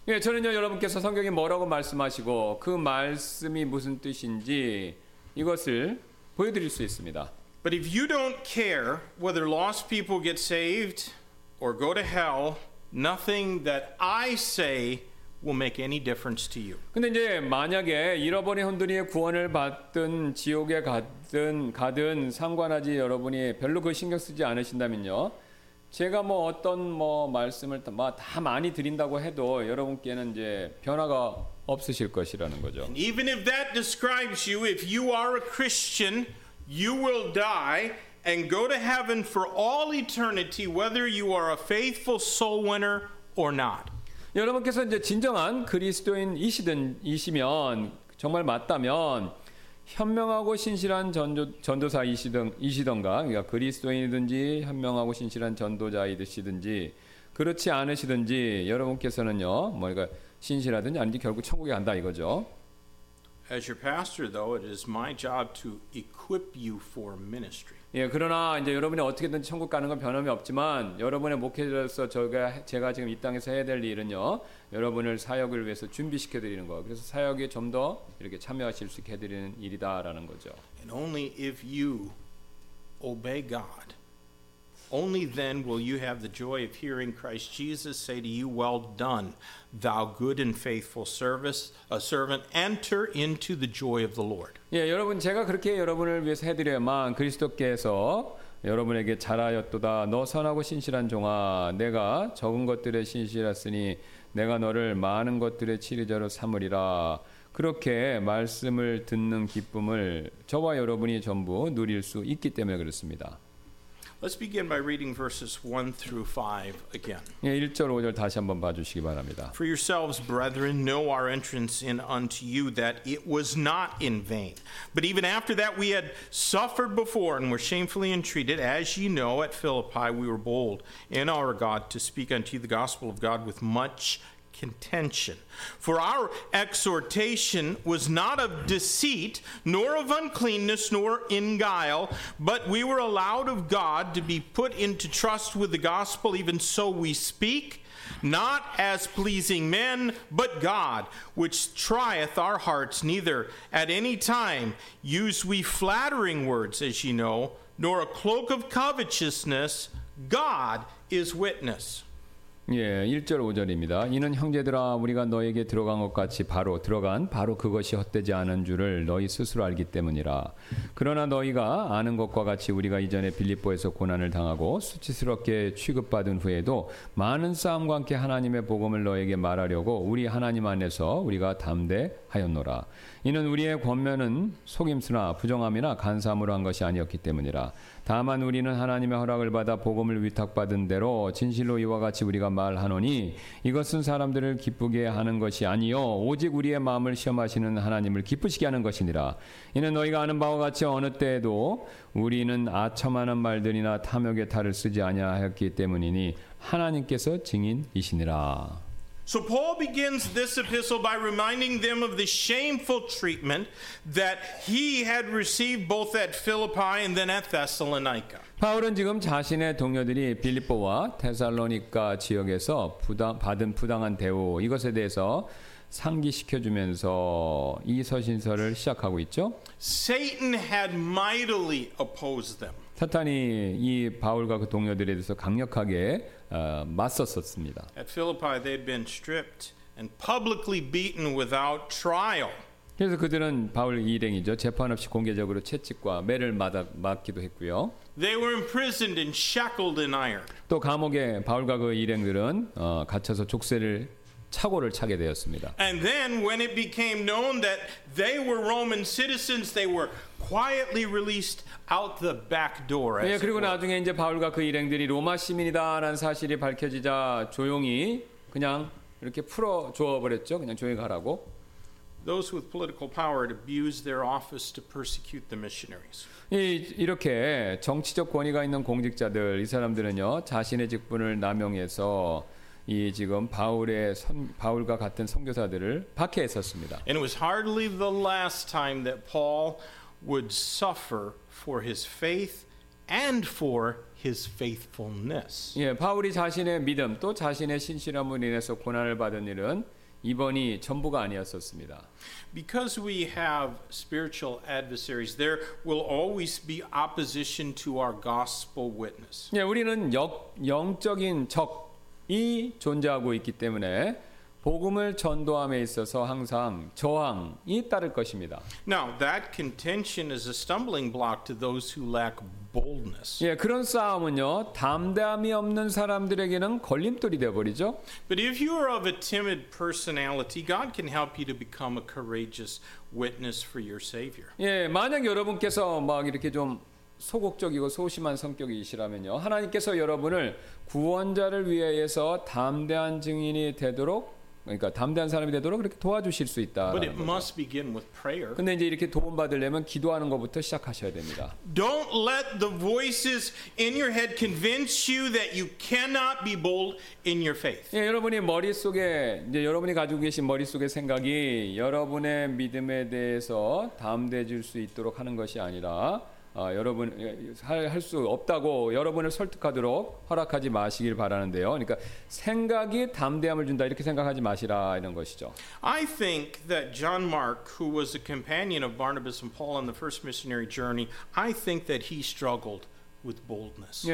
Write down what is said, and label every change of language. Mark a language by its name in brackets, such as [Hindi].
[Korean] 예, 저는요 여러분께서 성경이 뭐라고 말씀하시고 그 말씀이 무슨 뜻인지 이것을 보여드릴 수 있습니다. [English] But if you don't care whether lost people get saved or go to hell, nothing that I say will make any difference to you. [Korean] 근데 이제 만약에 잃어버린 혼돈이의 구원을 받든 지옥에 가든 상관하지 여러분이 별로 그 신경 쓰지 않으신다면요. 제가 뭐 어떤 뭐 말씀을 다 많이 드린다고 해도 여러분께는 이제 변화가 없으실 것이라는 거죠. [English] And even if that describes you, if you are a Christian, You will die and go to heaven for all eternity, whether you are a faithful soul winner or not. [Korean] 여러분께서 이제 진정한 그리스도인이시면 정말 맞다면 현명하고 신실한 전도사이시든가 그러니까 그리스도인이든지 현명하고 신실한 전도자이시든지 그렇지 않으시든지 여러분께서는요 뭐니까 신실하든지 아닌지 결국 천국에 간다 이거죠. [English] As your pastor, though, it is my job to equip you for ministry. [Korean] 예, 그러나 이제 여러분이 어떻게든 천국 가는 건 변함이 없지만 여러분의 목회자로서 제가 지금 이 땅에서 해야 될 일은요 여러분을 사역을 위해서 준비시켜 드리는 거. 그래서 사역에 좀 더 이렇게 참여하실 수 있게 해드리는 일이다라는 거죠. [English] And only if you obey God, only then will you have the joy of hearing Christ Jesus say to you, "Well done, thou good and faithful servant. Enter into the joy of the Lord." [Korean] 예, 여러분 제가 그렇게 여러분을 위해서 해드려야만 그리스도께서 여러분에게 잘하였도다. 너 선하고 신실한 종아, 내가 적은 것들에 신실했으니 내가 너를 많은 것들의 치리자로 삼으리라. 그렇게 말씀을 듣는 기쁨을 저와 여러분이 전부 누릴 수 있기 때문에 그렇습니다. [English] Let's begin by reading verses 1 through 5 again. [Korean] 예, 1절, 5절 다시 한번 봐주시기 바랍니다. [English] For yourselves, brethren, know our entrance in unto you, that it was not in vain. But even after that we had suffered before and were shamefully entreated, as ye know, at Philippi we were bold in our God to speak unto you the gospel of God with much contention. For our exhortation was not of deceit, nor of uncleanness, nor in guile, but we were allowed of God to be put into trust with the gospel, even so we speak, not as pleasing men, but God, which trieth our hearts, neither at any time use we flattering words, as ye know, nor a cloak of covetousness, God is witness. [Korean] 예, 1절 5절입니다. 이는 형제들아 우리가 너에게 들어간 것 같이 바로 그것이 헛되지 않은 줄을 너희 스스로 알기 때문이라. 그러나 너희가 아는 것과 같이 우리가 이전에 빌립보에서 고난을 당하고 수치스럽게 취급받은 후에도 많은 싸움과 함께 하나님의 복음을 너에게 말하려고 우리 하나님 안에서 우리가 담대하였노라. 이는 우리의 권면은 속임수나 부정함이나 간사함으로 한 것이 아니었기 때문이라. 다만 우리는 하나님의 허락을 받아 복음을 위탁받은 대로 진실로 이와 같이 우리가 말하노니 이것은 사람들을 기쁘게 하는 것이 아니요 오직 우리의 마음을 시험하시는 하나님을 기쁘시게 하는 것이니라. 이는 너희가 아는 바와 같이 어느 때에도 우리는 아첨하는 말들이나 탐욕의 탈을 쓰지 아니하였기 때문이니 하나님께서 증인이시니라. [English] So Paul begins this epistle by reminding them of the shameful treatment that he had received both at Philippi and then at Thessalonica. [Korean] 바울은 지금 자신의 동료들이 빌립보와 테살로니카 지역에서 받은 부당한 대우 이것에 대해서 상기시켜 주면서 이 서신서를 시작하고 있죠. [English] Satan had mightily opposed them. [Korean] 사탄이 이 바울과 그 동료들에 대해서 강력하게 맞섰었습니다. [English] At Philippi, they'd been stripped and publicly beaten without trial. [Korean] 그래서 그들은 바울 일행이죠. 재판 없이 공개적으로 채찍과 매를 맞기도 했고요. [English] They were imprisoned and shackled in iron. [Korean] 또 감옥에 바울과 그 일행들은 갇혀서 족쇄를 차고를 차게 되었습니다. [English] And then when it became known that they were Roman citizens, they were quietly released out the back door. [Korean] 예, 그리고 나중에 이제 바울과 그 일행들이 로마 시민이다라는 사실이 밝혀지자 조용히 그냥 이렇게 풀어 주어 버렸죠. 그냥 조용히 가라고. [English] Those with political power abused their office to persecute the missionaries. [Korean] 이렇게 정치적 권위가 있는 공직자들 이 사람들은요. 자신의 직분을 남용해서 이 지금 바울과 같은 선교사들을 박해했었습니다. [English] And it was hardly the last time that Paul would suffer for his faith and for his faithfulness. [Korean] 예, 바울이 자신의 믿음 또 자신의 신실함으로 인해서 고난을 받은 일은 이번이 전부가 아니었었습니다. [English] Because we have spiritual adversaries, there will always be opposition to our gospel witness. [Korean] 예, 우리는 영적인 적이 존재하고 있기 때문에 복음을 전도함에 있어서 항상 저항이 따를 것입니다. [English] Now that contention is a stumbling block to those who lack boldness. [Korean] 예, 그런 싸움은요, 담대함이 없는 사람들에게는 걸림돌이 되어 버리죠. [English] But if you are of a timid personality, God can help you to become a courageous witness for your Savior. [Korean] 예, 만약 여러분께서 막 이렇게 좀 소극적이고 소심한 성격이시라면요, 하나님께서 여러분을 구원자를 위해서 담대한 증인이 되도록, 그러니까 담대한 사람이 되도록 그렇게 도와주실 수 있다. [English] But it must begin with prayer. [Korean] 근데 이제 이렇게 도움받으려면 기도하는 것부터 시작하셔야 됩니다. [English] Don't let the voices in your head convince you that you cannot be bold in your faith. [Korean] 예, 여러분이 머릿속에 이제 여러분이 가지고 계신 머릿속의 생각이 여러분의 믿음에 대해서 담대해질 수 있도록 하는 것이 아니라 여러분 할 수 없다고 여러분을 설득하도록 허락하지 마시길 바라는데요. 그러니까 생각이 담대함을 준다 이렇게 생각하지 마시라 이런 것이죠. [English] I think that John Mark, who was a companion of Barnabas and Paul on the first missionary journey, I think that he struggled with boldness.